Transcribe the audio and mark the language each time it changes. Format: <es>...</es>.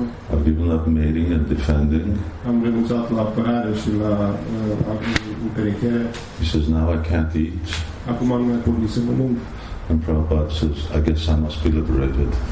<en>I've given up mating and defending.</en> <ro>Am renunțat la apărare și la împerechere.</ro> <en>He says, now I can't eat.</en> <ro>Acum nu mai pot să mănânc.</ro> <en>And Prabhupada says, I guess I must be liberated.</en>